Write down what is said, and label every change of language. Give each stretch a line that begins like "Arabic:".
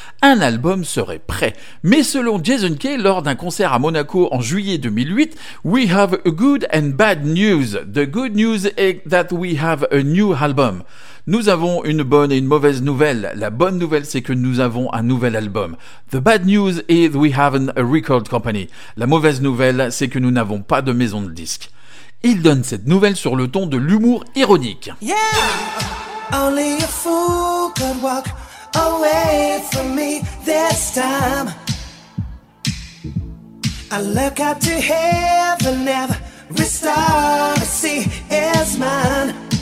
French: Un album serait prêt, mais selon Jason Kay, lors d'un concert à Monaco en juillet 2008, «
English: We have a good and bad news. The good news is that we have a new album. »
French: Nous avons une bonne et une mauvaise nouvelle. La bonne nouvelle, c'est que nous avons un nouvel album.
English: The bad news is we haven't a record company.
French: La mauvaise nouvelle, c'est que nous n'avons pas de maison de disques. Il donne cette nouvelle sur le ton de l'humour ironique.
English: Yeah! Only a fool could walk away from me this time. I look out to heaven, every star I see is mine.